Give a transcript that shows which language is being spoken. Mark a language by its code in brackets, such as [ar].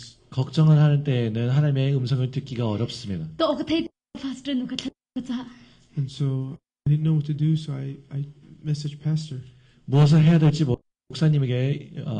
[ko] 걱정을 하는 때에는 하나님의 음성을 듣기가 어렵습니다. [en] And so I didn't know what to do, so I messaged pastor. [ko] 무엇을 해야 될지 목사님에게